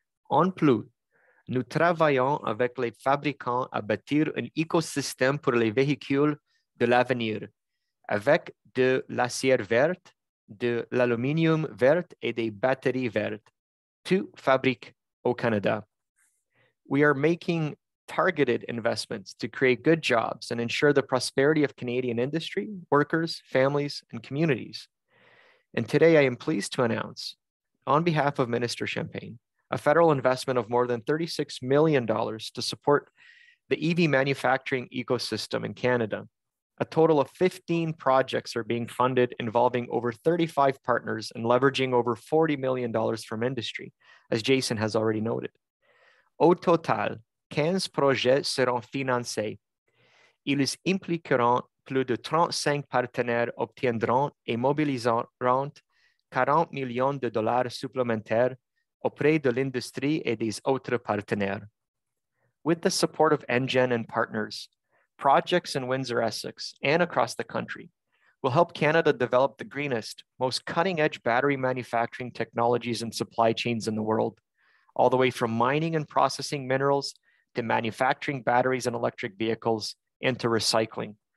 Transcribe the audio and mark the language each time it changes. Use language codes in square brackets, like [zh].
[fr] En plus, nous travaillons avec les fabricants à bâtir un écosystème pour les véhicules de l'avenir, avec de l'acier vert, de l'aluminium vert et des batteries vertes, to fabrique au Canada. [en] We are making targeted investments to create good jobs and ensure the prosperity of Canadian industry, workers, families, and communities. And today I am pleased to announce, on behalf of Minister Champagne, a federal investment of more than $36 million to support the EV manufacturing ecosystem in Canada. A total of 15 projects are being funded, involving over 35 partners and leveraging over $40 million from industry, as Jason has already noted. [fr] Au total, 15 projets seront financés. Ils impliqueront plus de 35 partenaires obtiendront et mobiliseront 40 millions de dollars supplémentaires auprès de l'industrie et des autres partenaires. [en] With the support of NGen and partners, projects in Windsor, Essex, and across the country will help Canada develop the greenest, most cutting-edge battery manufacturing technologies and supply chains in the world, all the way from mining and processing minerals to manufacturing batteries and electric vehicles and to recycling.